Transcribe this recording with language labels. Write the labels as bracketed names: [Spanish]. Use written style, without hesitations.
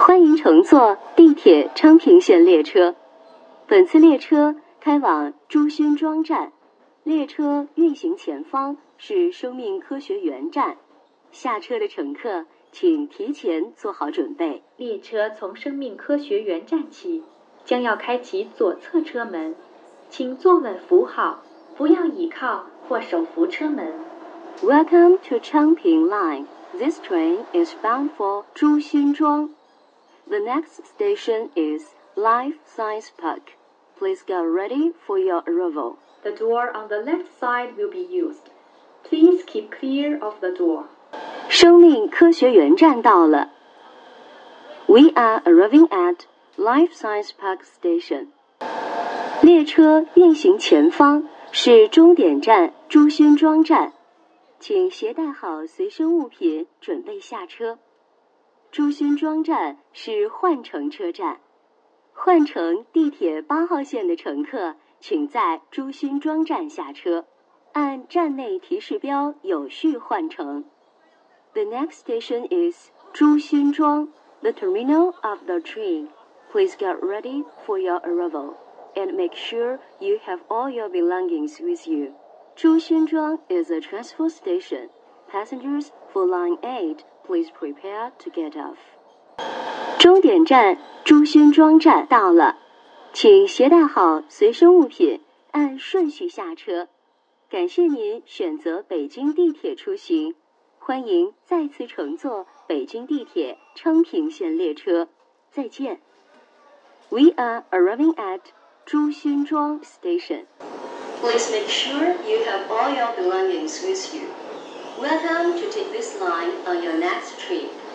[Chinese] 您乘坐地铁昌平线列车，本次列车开往朱熏庄站，列车运行前方是生命科学园站，下车的乘客请提前做好准备。列车从生命科学园站起，将要开启左侧车门，请坐稳扶好，不要倚靠或手扶车门。 [English] Welcome to Changping Line. This train is bound for 朱熏庄。 The next station is Life Science Park. Please get ready for your arrival. The door on the left side will be used. Please keep clear of the door. [Chinese] 生命科学园站到了。 [English] We are arriving at Life Science Park Station. [Chinese] 列车运行前方是终点站朱熏庄站，请携带好随身物品，准备下车。朱熏庄站是换乘车站，换乘地铁八号线的乘客请在朱熏庄站下车，按站内提示标有序换乘。 [English] The next station is 朱熏庄, the terminal of the train. Please get ready for your arrival and make sure you have all your belongings with you. 朱熏庄 is a transfer station. Passengers for line 8,Please prepare to get off. [Chinese] 终点站朱熏庄站到了，请携带好随身物品，按顺序下车。感谢您选择北京地铁出行，欢迎再次乘坐北京地铁昌平线列车。再见。 [English] We are arriving at 朱熏庄 station. Please make sure you have all your belongings with you.Welcome to take this line on your next trip.